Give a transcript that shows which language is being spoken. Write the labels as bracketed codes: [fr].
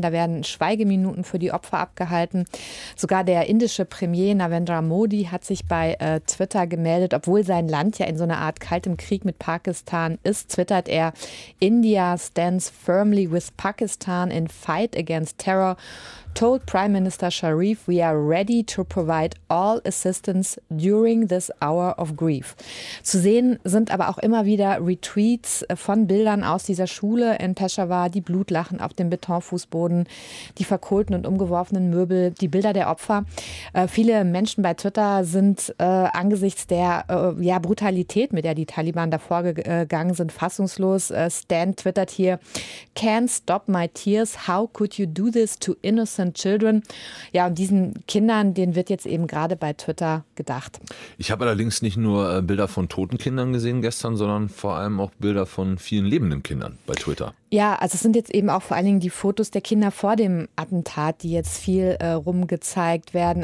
[de] Da werden Schweigeminuten für die Opfer abgehalten. Sogar der indische Premier Narendra Modi hat sich bei Twitter gemeldet, obwohl sein Land ja in so einer Art kaltem Krieg mit Pakistan ist, twittert er: [en] India stands firmly with Pakistan in fight against terror. Told Prime Minister Sharif, we are ready to provide all assistance during this hour of grief. [de] Zu sehen sind aber auch immer wieder Retweets von Bildern aus dieser Schule in Peshawar, die Blutlachen auf dem Betonfußboden, die verkohlten und umgeworfenen Möbel, die Bilder der Opfer. Viele Menschen bei Twitter sind angesichts der Brutalität, mit der die Taliban davor gegangen sind, fassungslos. Stan twittert hier: [en] Can't stop my tears. How could you do this to innocent Children. [de] Ja, und diesen Kindern, denen wird jetzt eben gerade bei Twitter gedacht. Ich habe allerdings nicht nur Bilder von toten Kindern gesehen gestern, sondern vor allem auch Bilder von vielen lebenden Kindern bei Twitter. Ja, also es sind jetzt eben auch vor allen Dingen die Fotos der Kinder vor dem Attentat, die jetzt viel rumgezeigt werden.